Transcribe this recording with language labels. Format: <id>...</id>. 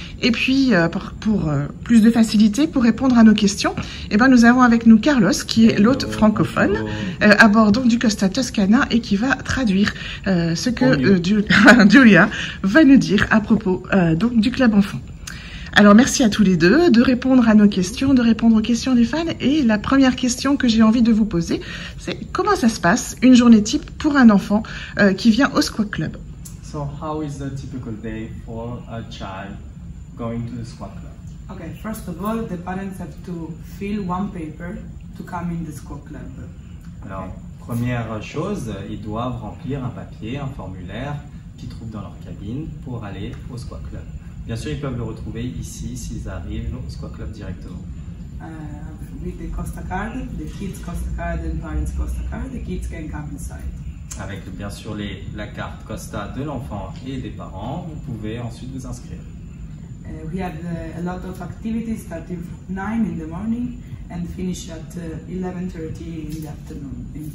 <fr>Et puis, pour plus de facilité, pour répondre à nos questions, eh ben, nous avons avec nous Carlos, qui est l'hôte francophone, à bord donc du Costa Toscana, et qui va traduire ce que Julia va nous dire à propos donc du Club Enfant. Alors merci à tous les deux de répondre à nos questions, de répondre aux questions des fans. Et la première question que j'ai envie de vous poser, c'est comment ça se passe une journée type pour un enfant qui vient au Squawk Club?</fr> <en>So how is the typical day for a child going to the Squawk Club? Okay, first of all, the parents have to fill one paper to come in the Squawk Club.</en> <fr>Alors première chose, ils doivent remplir un papier, un formulaire qu'ils trouvent dans leur cabine pour aller au Squawk Club. Bien sûr, ils peuvent le retrouver ici s'ils arrivent au Squawk Club directement.</fr> <en>With the Costa card, the kids Costa card and parents Costa card, the kids can come inside.</en> <fr>Avec bien sûr la carte Costa de l'enfant et des parents, vous pouvez ensuite vous inscrire.</fr> <en>We have a lot of activities starting from 9 in the morning and finish at 11:30 in the afternoon.</en>